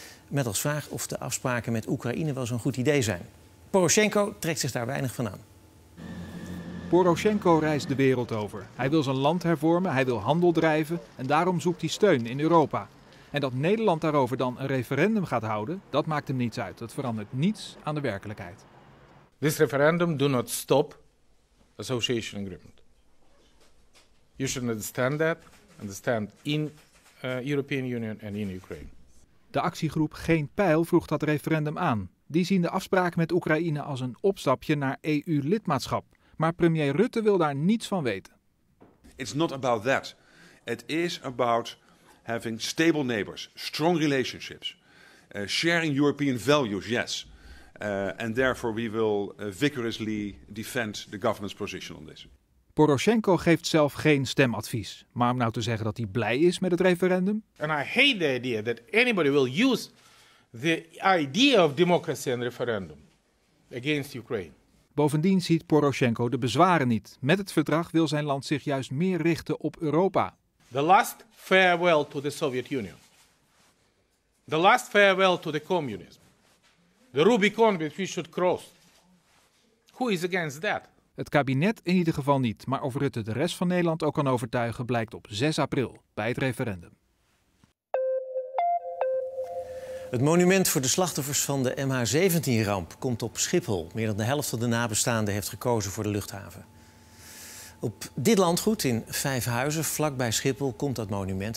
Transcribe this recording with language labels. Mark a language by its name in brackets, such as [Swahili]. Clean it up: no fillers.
[Dutch] Met als vraag of de afspraken met Oekraïne wel zo'n goed idee zijn. Poroshenko trekt zich daar weinig van aan. Poroshenko reist de wereld over. Hij wil zijn land hervormen, hij wil handel drijven en daarom zoekt hij steun in Europa. En dat Nederland daarover dan een referendum gaat houden, dat maakt hem niets uit. Dat verandert niets aan de werkelijkheid. [English] This referendum do not stop association agreement. You should understand that, understand in European Union and in Ukraine. [Dutch] De actiegroep Geen Pijl vroeg dat referendum aan. Die zien de afspraak met Oekraïne als een opstapje naar EU-lidmaatschap. Maar premier Rutte wil daar niets van weten. [English] It's not about that. It is about having stable neighbors, strong relationships, sharing European values, yes. And therefore we will vigorously defend the government's position on this. [Dutch] Poroshenko geeft zelf geen stemadvies. Maar om nou te zeggen dat hij blij is met het referendum. [English] And I hate the idea that anybody will use the idea of democracy and referendum against Ukraine. [Dutch] Bovendien ziet Poroshenko de bezwaren niet. Met het verdrag wil zijn land zich juist meer richten op Europa. [English] The last farewell to the Soviet Union. The last farewell to the communism. The Rubicon that we should cross. Who is against that? [Dutch] Het kabinet in ieder geval niet. Maar of Rutte de rest van Nederland ook kan overtuigen, blijkt op 6 april bij het referendum. Het monument voor de slachtoffers van de MH17-ramp komt op Schiphol. Meer dan de helft van de nabestaanden heeft gekozen voor de luchthaven. Op dit landgoed in Vijfhuizen, vlakbij Schiphol, komt dat monument.